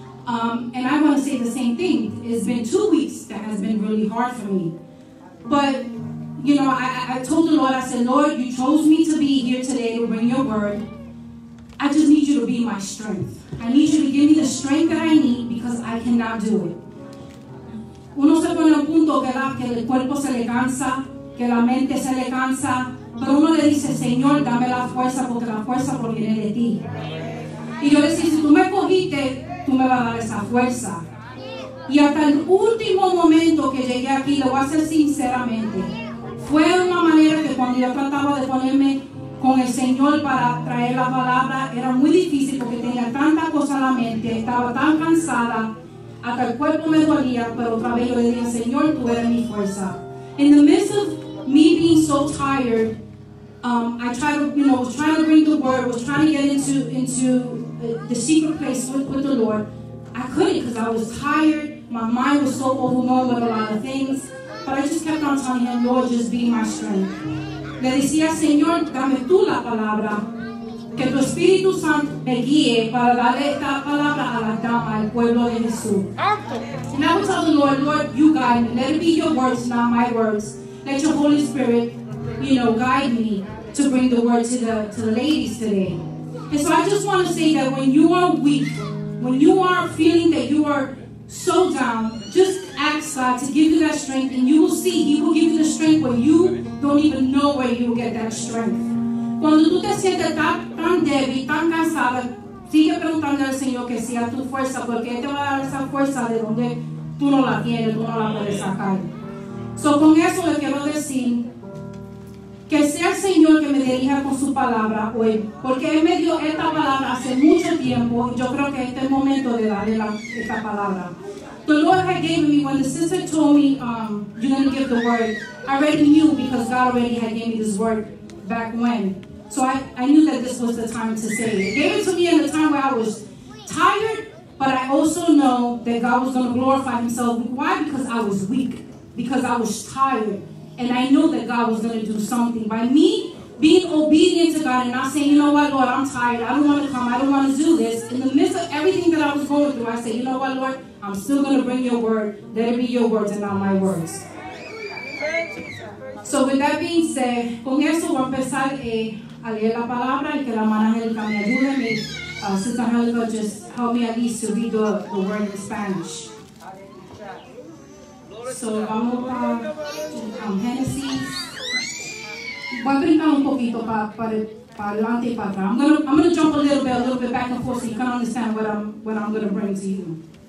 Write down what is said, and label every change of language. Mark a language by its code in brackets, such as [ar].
[en] And I want to say the same thing. It's been 2 weeks that has been really hard for me. But, you know, I told the Lord, I said, Lord, you chose me to be here today to bring your word. I just need you to be my strength. I need you to give me the strength that I need because I cannot do it. [es] Uno se pone a punto que el cuerpo se le cansa, que la mente se le cansa, pero uno le dice, Señor, dame la fuerza proviene de ti. Y yo le decía, si tú me cogiste, tú me vas a dar esa fuerza. Y hasta el último momento que llegué aquí, lo voy a hacer sinceramente, fue de una manera que cuando yo trataba de ponerme con el Señor para traer la palabra, era muy difícil porque tenía tanta cosa en la mente, estaba tan cansada, hasta el cuerpo me dolía, pero otra vez yo le dije, Señor, tú eres mi fuerza. [en] In the midst of me being so tired, I tried to, you know, was trying to bring the word, was trying to get into the secret place with the Lord. I couldn't because I was tired. My mind was so overwhelmed with a lot of things. But I just kept on telling him, Lord, just be my strength. [es] Le decía, Señor, dame tú la palabra. Que tu Espíritu Santo me guíe para darle esta palabra a la dama, al pueblo de Jesús. [en] And I would tell the Lord, Lord, you guide me. Let it be your words, not my words. Let your Holy Spirit, you know, guide me to bring the word to the ladies today. And so I just want to say that when you are weak, when you are feeling that you are so down, just ask God to give you that strength, and you will see He will give you the strength where you don't even know where you will get that strength. [es] Cuando tú te sientes tan débil, tan cansada, sigue preguntando al Señor que sea tu fuerza, porque Él te va a dar esa fuerza de donde tú no la tienes, tú no la puedes sacar. So, con eso le quiero decir que sea el Señor que me dirija con su palabra hoy, porque Él me dio esta palabra hace mucho tiempo, y yo creo que este es el momento de darle esta palabra. [en] The Lord had given me, when the sister told me, you're going to give the word, I already knew because God already had given me this word back when. So I knew that this was the time to say it. He gave it to me in a time where I was tired, but I also know that God was going to glorify himself. Why? Because I was weak. Because I was tired. And I know that God was going to do something. By me being obedient to God and not saying, you know what, Lord, I'm tired. I don't want to come. I don't want to do this. In the midst of everything that I was going through, I said, you know what, Lord, I'm still going to bring your word. Let it be your words and not my words. So with that being said, [es] con eso voy a empezar a leer la palabra y que la mano Angelica me ayude. [en] Sister Angelica, just help me at least to read the word in Spanish. [es] So vamos para Genesis. Voy a brincar un poquito para adelante y para atrás. [en] I'm gonna jump a little bit back and forth so you can understand what I'm gonna bring to you.